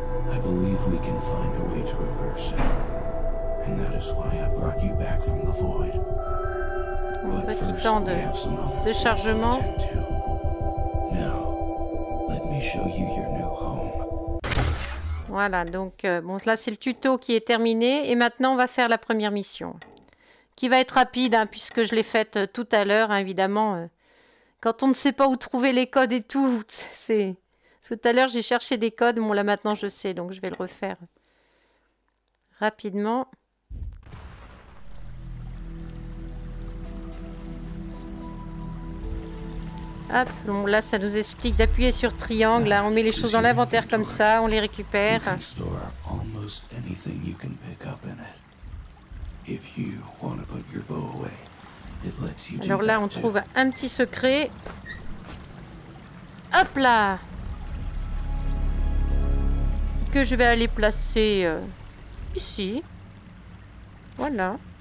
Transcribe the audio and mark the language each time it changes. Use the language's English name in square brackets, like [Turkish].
[English] I believe we can find a way to reverse it. And that is why I brought you back from the void. But first, we have some other things to attend to. Now, let me show you your new home. [French] Voilà, donc bon, là c'est le tuto qui est terminé et maintenant on va faire la première mission, qui va être rapide hein, puisque je l'ai faite tout à l'heure hein, évidemment. Quand on ne sait pas où trouver les codes et tout, c'est tout à l'heure j'ai cherché des codes, bon là maintenant je sais, donc je vais le refaire rapidement. Hop, bon, là ça nous explique d'appuyer sur triangle, là on met les choses dans l'inventaire comme ça, on les récupère. [English] You can store almost anything you can pick up in it. If you want to put your bow away, it lets you do that. [French] Alors là on trouve un petit secret. Hop là. Que je vais aller placer ici. Voilà.